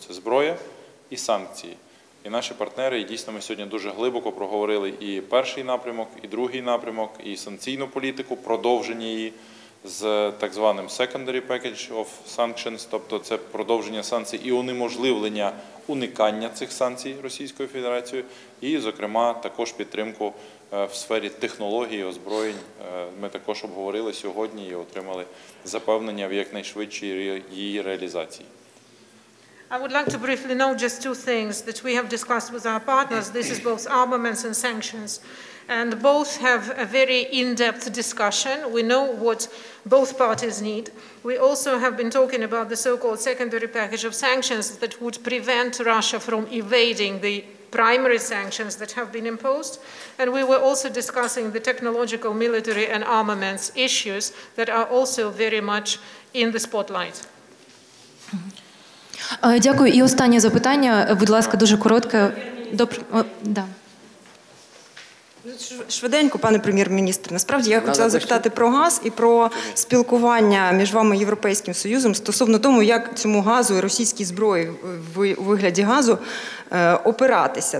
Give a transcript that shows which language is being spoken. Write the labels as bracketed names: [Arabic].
[Ukrainian] Це зброя і санкції. І наші партнери, і дійсно ми сьогодні дуже глибоко проговорили і перший напрямок, і другий напрямок, і санкційну політику, продовження її з так званим [English] secondary package of sanctions, [Ukrainian] тобто це продовження санкцій і унеможливлення уникання цих санкцій Російською Федерацією, і, зокрема, також підтримку в сфері технологій, озброєнь. Ми також обговорили сьогодні і отримали запевнення в якнайшвидшій її реалізації. [English] I would like to briefly note just two things that we have discussed with our partners. This is both armaments and sanctions. And both have a very in-depth discussion. We know what both parties need. We also have been talking about the so-called secondary package of sanctions that would prevent Russia from evading the primary sanctions that have been imposed. And we were also discussing the technological, military, and armaments issues that are also very much in the spotlight. [Ukrainian] Дякую. І останнє запитання, будь ласка, дуже коротке. Да. Швиденько, пане прем'єр-міністр, насправді я хотіла запитати про газ і про спілкування між вами і Європейським Союзом стосовно тому, як цьому газу і російській зброї у вигляді газу опиратися.